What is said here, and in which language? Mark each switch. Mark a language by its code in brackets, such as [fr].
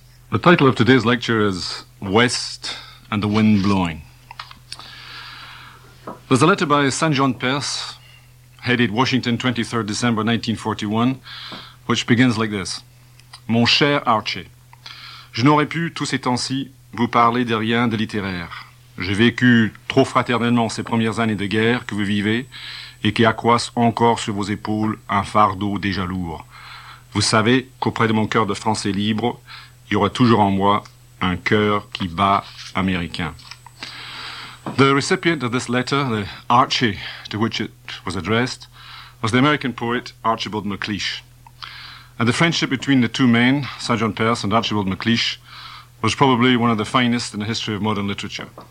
[en] The title of today's lecture is West and the Wind Blowing. There's a letter by Saint John Perse, headed Washington, 23rd December 1941, which begins like this. [fr] Mon cher Archer, je n'aurais pu tous ces temps-ci vous parler de rien de littéraire. J'ai vécu trop fraternellement ces premières années de guerre que vous vivez et qui accroissent encore sur vos épaules un fardeau déjà lourd. Vous savez qu'auprès de mon cœur de Français libre, il y aura toujours en moi un cœur qui bat américain. [en] The recipient of this letter, the Archie to which it was addressed, was the American poet Archibald MacLeish. And the friendship between the two men, Saint John Perse and Archibald MacLeish, was probably one of the finest in the history of modern literature.